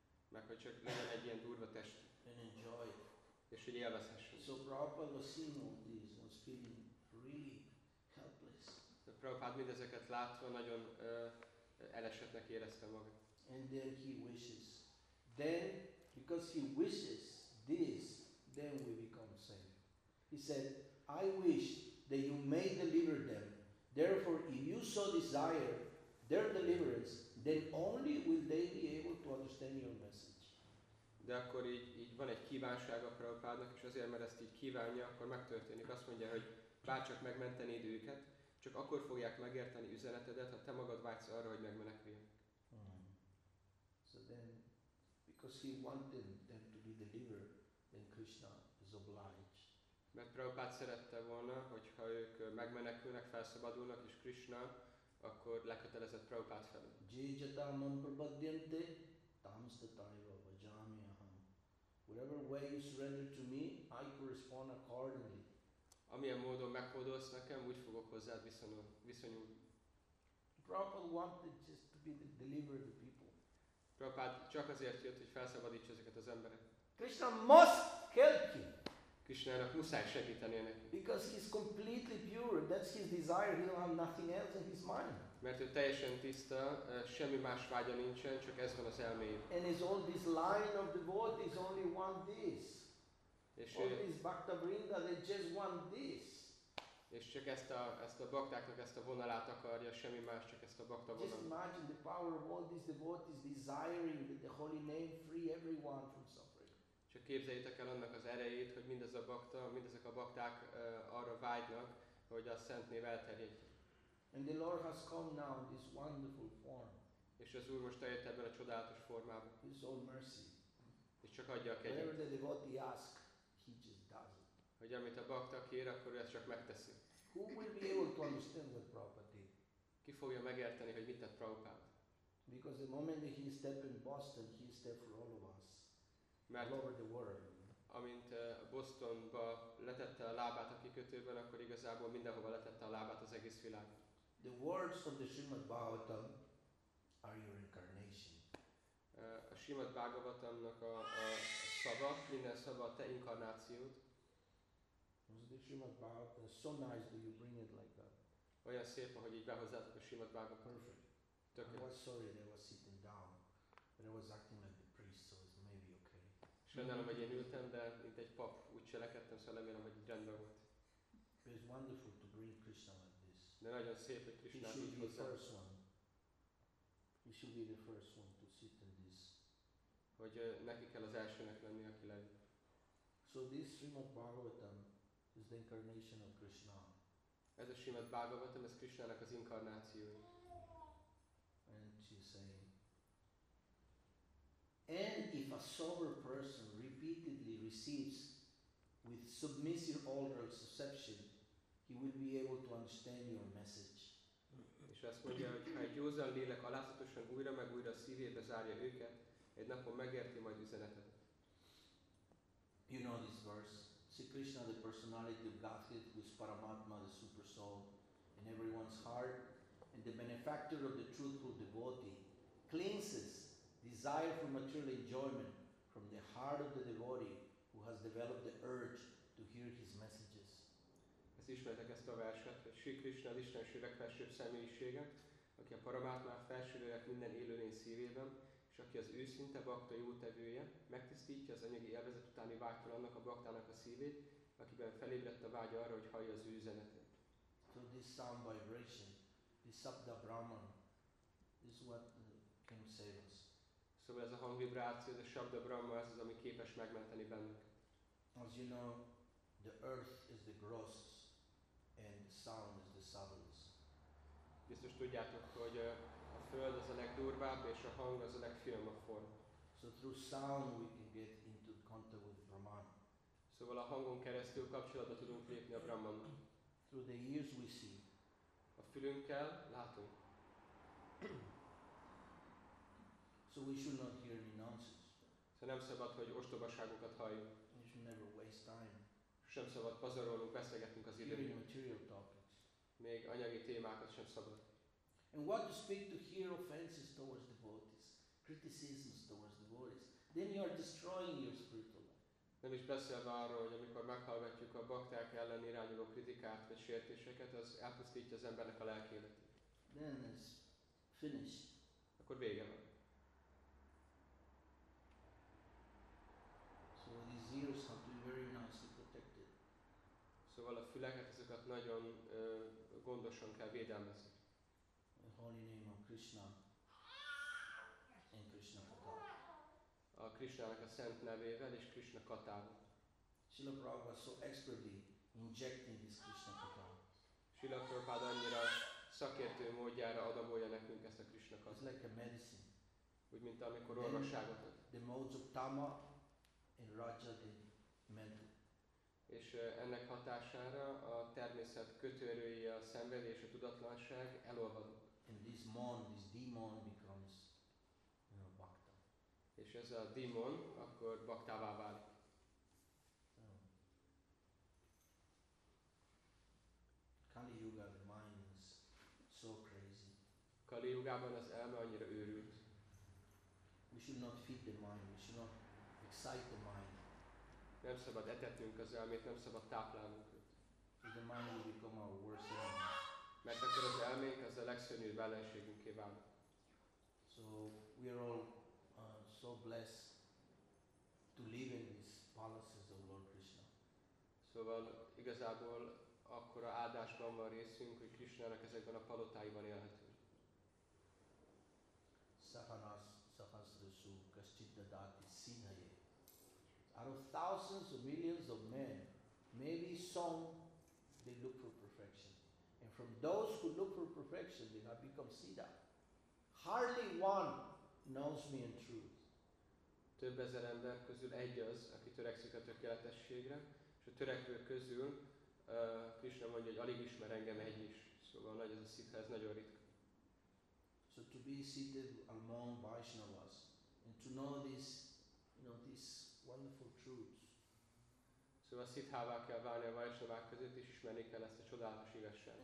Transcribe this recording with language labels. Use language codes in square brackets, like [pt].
[hu] Meg hogy csak legyen egy ilyen durva test. [en] And enjoy. [hu] És hogy élvezhessünk. [en] So Prabhupada was seeing all this, was feeling really helpless. [hu] De Prabhupada mindezeket látva nagyon elesettnek érezte magát. [en] And then he wishes. Then, because he wishes this, then we become saved. He said, I wish that you may deliver them. Therefore, if you so desire their deliverance, then only will they be able to understand your message. [hu] De akkor így van egy kívánság a Prabhupádnak, és azért, mert ezt így kívánja, akkor megtörténik. Azt mondja, hogy bárcsak megmentenéd őket, csak akkor fogják megérteni üzenetedet, ha te magad vágysz arra, hogy megmeneküljenek. Hmm. [en] So then, because he wanted them to be delivered, then Krishna is obliged. [hu] Mert Prabhupada szerette volna, hogyha ők megmenekülnek, felszabadulnak, és Krishna akkor lekötelezett Prabhupada felé. [sa] Jijata man prabhadyante tamstatayva vajami aham. [en] Whatever way you surrender to me, I correspond accordingly. [hu] Amilyen módon meghódolsz nekem, úgy fogok hozzád viszonyulni. [en] Prabhupada wanted just to be the deliverer of the people. [hu] Prabhupada csak azért jött, hogy felszabadítsa ezeket az emberek. [en] Krishna must help you. [hu] Krishnának muszáj segítenie neki. [en] Because he's completely pure, that's his desire, he don't have nothing else in his mind. [hu] Mert ő teljesen tiszta, semmi más vágya nincsen, csak ez van az elméjében. [en] And his all this line of devotees only want this. [hu] És [en] all these bhaktavrinda, they just want this. [hu] És csak ezt a baktáknak ezt a vonalát akarja, semmi más, csak ezt a bakta vonalat. [en] Just imagine the power of all these devotees desiring that the holy name free everyone from suffering. [hu] Csak képzeljétek el annak az erejét, hogy mindez a bakta, mindezek a bakták arra vágynak, hogy a szent név elterjedjen. [en] And the Lord has come now in this wonderful form. [hu] És az Úr most eljött ebben a csodálatos formában. [en] His all mercy. [hu] És csak adja a kegyet. [en] Whatever the devotee ask, he just does it. [hu] Hogy amit a bakta kér, akkor ő ezt csak megteszi. [en] Who will be able to understand what Prabhupada did? [hu] Ki fogja megérteni, hogy mit tett Prabhupada? [en] Because the moment that he stepped in Boston, he stepped for all of us. [hu] Mert [en] all over the world. [hu] Amint Bostonba letette a lábát a kikötőben, akkor igazából mindenhova letette a lábát az egész világ. [en] The words of the Srimad Bhagavatam are your incarnation. [hu] A Srimad Bhagavatamnak a szava, minden szava a te inkarnációd. [en] The Srimad Bhagavatam is so nice that you bring it like that. [hu] Olyan szép, ahogy így behozzátok a Srimad Bhagavatam. [en] Perfect. [hu] Tökélet. [en] I was sorry that I was sitting down, but I was acting like the priest, so it's maybe okay. [hu] Sajnálom, hogy én ültem, de mint egy pap úgy cselekedtem, szóval remélem, hogy rendben volt. [en] It's wonderful to bring Krishna like this. [hu] De nagyon szép, hogy Krishna így hozzá. [en] He should be the first one to sit in this. [hu] Hogy neki kell az elsőnek lenni, aki legyen. [en] So this Srimad Bhagavatam is the incarnation of Krishna. [hu] Ez a Srimad Bhagavatam, ez Krishnának az inkarnációja. [en] And she saying, and if a sober person repeatedly receives with submissive altered reception, he will be able to understand your message. [hu] És azt mondja, hogy ha egy józan lélek alázatosan újra meg újra szívébe zárja őket, egy napon megérti majd üzenetet. [en] You know this verse. See Krishna, the personality of Godhead, who is Paramatma, the super soul, in everyone's heart, and the benefactor of the truthful devotee, cleanses desire for material enjoyment from the heart of the devotee who has developed the urge to hear his messages. [hu] Ezt ismertek ezt a verset, hogy Sri Krishna az Istenség legfelsőbb személyisége, aki a Paramatmát felsőrelet minden élőlény szívében, és aki az őszinte bakta jótevője, megtisztítja az anyagi élvezet utáni vágytól annak a baktának a szívét, akiben felébredt a vágy arra, hogy hallja az ő üzenetét. [en] So this sound vibration, this sabda brahman, this is what can save us. [hu] Szóval ez a hangvibráció, ez a Shabda Brahma, ez az, ami képes megmenteni bennünket. [en] As you know, The earth is the gross and the sound is the subtleness. [hu] Biztos tudjátok, hogy a föld az a legdurvább és a hang az a legfinomabb form. [en] So through sound we can get into contact with Brahman. [hu] Szóval a hangon keresztül kapcsolatba tudunk lépni a Brahmannal. [en] Through the ears we see. [hu] A fülünkkel látunk. [en] So we should not hear any nonsense. [hu] Szóval nem szabad, hogy ostobaságokat halljunk. [en] We should never waste time. [hu] Sem szabad pazarolnunk, beszélgetnünk az időnkben. [en] Hearing material topics. [hu] Még anyagi témákat sem szabad. [en] And what to speak to hear offenses towards devotees, criticisms towards devotees, then you are destroying your spiritual life. [hu] Nem is beszélve arról, hogy amikor meghallgatjuk a bakták ellen irányuló kritikát vagy sértéseket, az elpusztítja az embernek a lelkélet. [en] Then it's finished. [hu] Akkor vége van. [en] So these ears have to be very nicely protected. [hu] Szóval a füleket, ezeket nagyon gondosan kell védelmezni. [en] The holy name of Krishna and Krishna Katar. [hu] A Krishnának a szent nevével és Krishna Katával. [en] Srila Prabhupada was so expertly injecting this Krishna Katar. [hu] Srila Prabhupada annyira szakértő módjára adagolja nekünk ezt a Krishna Katar. [en] It's like a medicine. [hu] Úgy, mint amikor orvosságot ad. [en] The modes of Tama and Raja did mental. [hu] És ennek hatására a természet kötőerői, a szenvedés, a tudatlanság elolvadunk. [en] And this mon, this demon becomes, you know, bhakta. [hu] És ez a demon akkor bhaktává válik. [en] Kali Yuga, the mind is so crazy. [hu] Kali Yugában az elme annyira őrült. [en] We should not feed the mind, we should not excite the mind. [hu] Nem szabad etetnünk az elmét, nem szabad táplálnunk őt. [en] The mind will become our worst enemy. [hu] Mert akkor az elménk az a legszörnyűbb ellenségünké válik. [en] So we are all so blessed to live in these palaces of Lord Krishna. [hu] Szóval igazából akkora áldásban van részünk, hogy Krishnának ezekben a palotáiban élhetünk. [sa] Sahanas, Sahasrasu, Kaschiddadati, Sinaye. [en] Out of thousands of millions of men, maybe some, they look for perfection. And from those who look for perfection, they have become Siddha. Hardly one knows me in truth. [hu] Több ezer ember közül egy az, aki törekszik a tökéletességre, és a törekvők közül Krishna mondja, hogy alig ismer engem egy is. Szóval nagy ez a Siddha, ez nagyon ritka. [en] So to be seated among Vaishnavas, and to know this, you know, this wonderful truths. [hu] Szóval Siddhává kell válni a Vaishnavák között, és ismerni kell ezt a csodálatos igazságot.